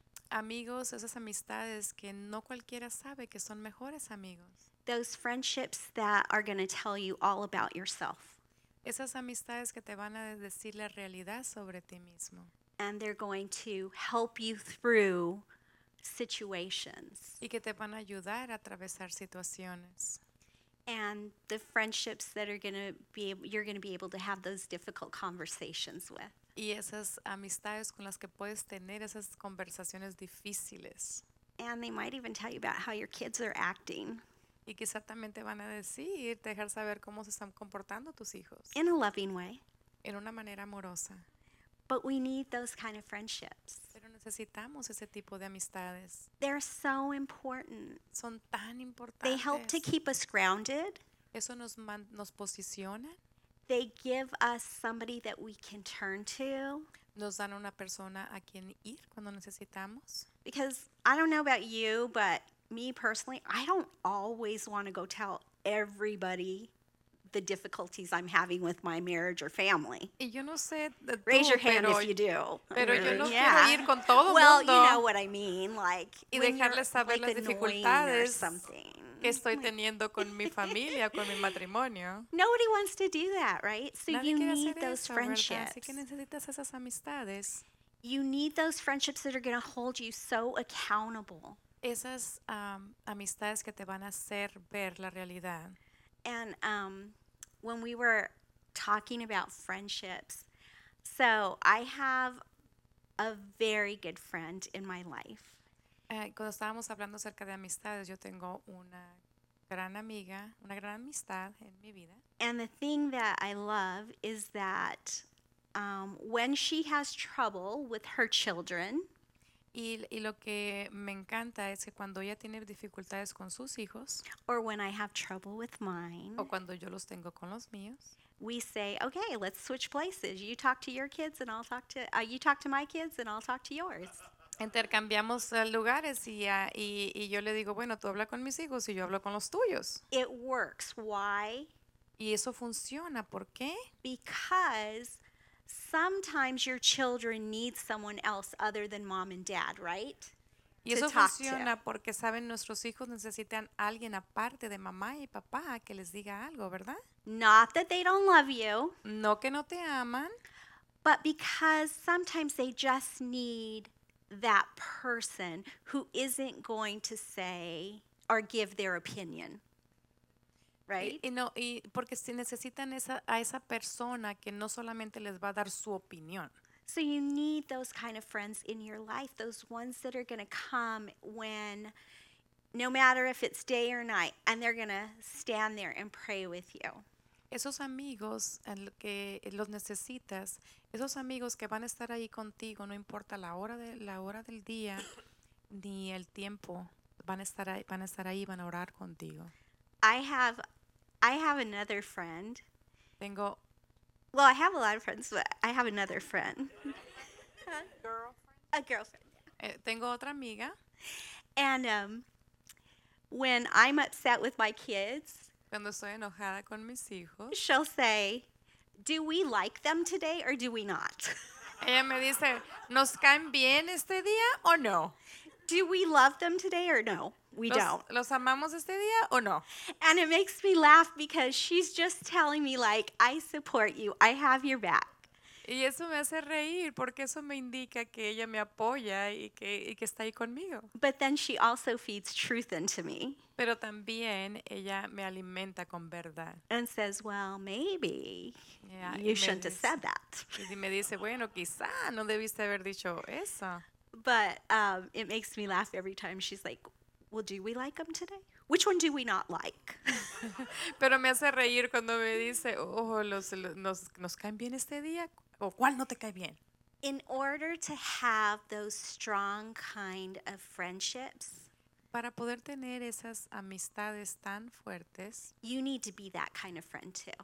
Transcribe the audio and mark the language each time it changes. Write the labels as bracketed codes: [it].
[es] Amigos, esas amistades que no cualquiera sabe que son mejores amigos. [en] Those friendships that are going to tell you all about yourself. [es] Esas amistades que te van a decir la realidad sobre ti mismo. [en] And they're going to help you through situations. [es] Y que te van a ayudar a atravesar situaciones. [en] And the friendships that are going to be, you're going to be able to have those difficult conversations with. [es] Y esas amistades con las que puedes tener esas conversaciones difíciles. [en] And they might even tell you about how your kids are acting. [es] Y quizá también te van a decir, dejar saber cómo se están comportando tus hijos. [en] In a loving way. [es] En una manera amorosa. [en] But we need those kind of friendships. [es] Pero necesitamos ese tipo de amistades. [en] They're so important. [es] Son tan importantes. [en] They help to keep us grounded. [es] Eso nos posiciona. [en] They give us somebody that we can turn to. [es] Nos dan una persona a quien ir cuando necesitamos. [en] Because I don't know about you, but me personally, I don't always want to go tell everybody the difficulties I'm having with my marriage or family. [es] Y yo no sé de tú, [en] raise your hand if you do. [es] Pero yo no quiero ir con todo [en] well, [es] mundo. [en] You know what I mean. Like, [es] y dejarles saber [en] like [es] las dificultades. [en] Or something. [es] Que estoy teniendo con mi familia, con mi matrimonio. [en] Nobody wants to do that, right? So [es] nadie [en] you need those [es] eso, [en] friendships. [es] Así que necesitas esas amistades. [en] You need those friendships that are going to hold you so accountable. [es] Esas amistades que te van a hacer ver la realidad. [en] And when we were talking about friendships, so I have a very good friend in my life. [es] Cuando estábamos hablando acerca de amistades, yo tengo una gran amiga, una gran amistad en mi vida. [en] And the thing that I love is that when she has trouble with her children, [es] y lo que me encanta es que cuando ella tiene dificultades con sus hijos, [en] or when I have trouble with mine, [es] o cuando yo los tengo con los míos, [en] we say, okay, let's switch places. You talk to your kids and I'll talk to, you talk to my kids and I'll talk to yours. [es] Intercambiamos lugares y yo le digo, bueno, tú habla con mis hijos y yo hablo con los tuyos. [en] It works. Why? [es] Y eso funciona. ¿Por qué? [en] Because sometimes your children need someone else other than mom and dad, right? [es] Y eso funciona porque, saben, nuestros hijos necesitan alguien aparte de mamá y papá que les diga algo, ¿verdad? [en] Not that they don't love you. [es] No que no te aman. [en] But because sometimes they just need that person who isn't going to say or give their opinion. Right? [es] Y porque si necesitan a esa persona que no solamente les va a dar su opinión. [en] So you need those kind of friends in your life, those ones that are going to come when, no matter if it's day or night, and they're going to stand there and pray with you. [es] Esos amigos que los necesitas, esos amigos que van a estar ahí contigo, no importa la hora del día ni el tiempo, van a estar ahí, van a orar contigo. [en] I have another friend. I have a lot of friends, but I have another friend. Girlfriend? A girlfriend. [es] Tengo otra amiga. [en] And when I'm upset with my kids, [es] cuando estoy enojada con mis hijos, [en] she'll say, do we like them today or do we not? [es] Ella me dice, ¿nos caen bien este día o no? [en] Do we love them today or no? We don't. [es] ¿Los amamos este día o no? [en] And it makes me laugh because she's just telling me, like, I support you. I have your back. [es] Y eso me hace reír porque eso me indica que ella me apoya y que está ahí conmigo. [en] But then she also feeds truth into me. [es] Pero también ella me alimenta con verdad. [en] And says, well, maybe you shouldn't have said that. [es] Y me dice, bueno, quizá no debiste haber dicho eso. [en] But it makes me laugh every time she's like, well, do we like them today? Which one do we not like? [es] Pero me hace reír cuando me dice, oh, nos caen bien este día, o ¿cuál no te cae bien? [en] In order to have those strong kind of friendships, [es] para poder tener esas amistades tan fuertes, [en] you need to be that kind of friend too.